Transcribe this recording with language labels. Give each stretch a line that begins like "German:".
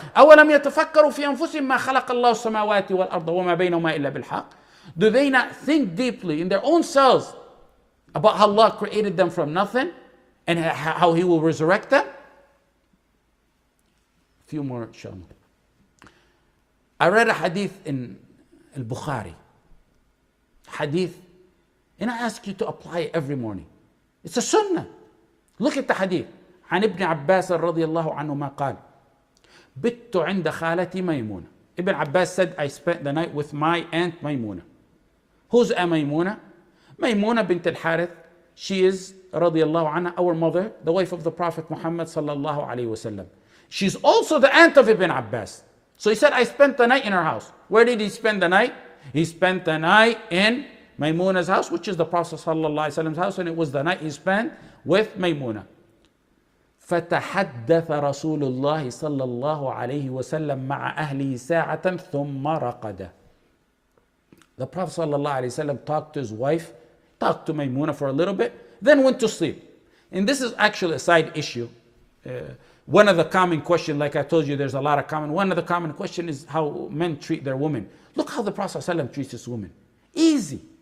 Arabic: أَوَلَمْ يَتَفَكَّرُوا فِي أَنفُسِهِمْ مَا خَلَقَ اللَّهُ السَّمَاوَاتِ وَالْأَرْضَ وَمَا بَيْنَهُمَا إِلَّا بِالْحَقِّ
English: Do they not think deeply in their own selves about how Allah created them from nothing and how He will resurrect them? A few more, inshallah. I read a hadith in al-Bukhari. Hadith. And I ask you to apply it every morning. It's a sunnah. Look at the hadith.
Arabic: عن ابن عباس رضي الله عنه ما قال بت عند خالتي ميمونة
English: Ibn Abbas said, I spent the night with my aunt
Arabic: ميمونة.
English: Who's Maymunah?
Arabic: ميمونة بنت الحارث.
English: She is,
Arabic: رضي الله عنها,
English: our mother, the wife of the Prophet Muhammad
Arabic: صلى الله عليه وسلم.
English: She's also the aunt of Ibn Abbas. So he said, I spent the night in her house. Where did he spend the night? He spent the night in Maymuna's house, which is the Prophet sallallahu alaihi wasallam's house, and it was the night he spent with Maymuna.
Arabic: فتحدث رسول الله صلى الله عليه وسلم مع أهله ساعة ثم رقد.
English: The Prophet sallallahu alaihi wasallam talked to his wife, talked to Maymuna for a little bit, then went to sleep. And this is actually a side issue. One of the common questions, like I told you, there's a lot of common. One of the common questions is how men treat their women. Look how the Prophet sallallahu alaihi wasallam treats his woman. Easy.